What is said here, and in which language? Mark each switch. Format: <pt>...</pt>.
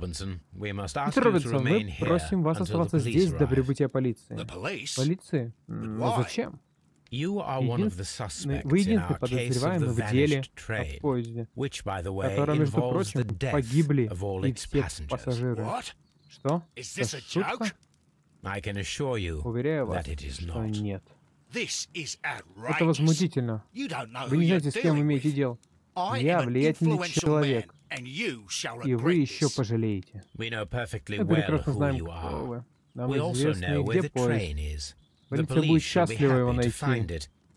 <ru>Мистер Робинсон, мы просим вас оставаться здесь до прибытия полиции. Полиции? Но зачем? Вы единственный подозреваемый в деле о поезде, в котором, между прочим, погибли и все пассажиры. Что? Это шутка?</ru> <en>I can assure you that it is not.</en> <ru>Нет.</ru> <en>This is outrageous.</en> <ru>Это возмутительно. Вы не знаете, с кем имеете дело. Я влиятельный человек, и вы еще пожалеете.</ru> <en>We know perfectly well who you are.</en> <ru>Нам известно, где поезд. Полиция будет счастлива его найти.</ru>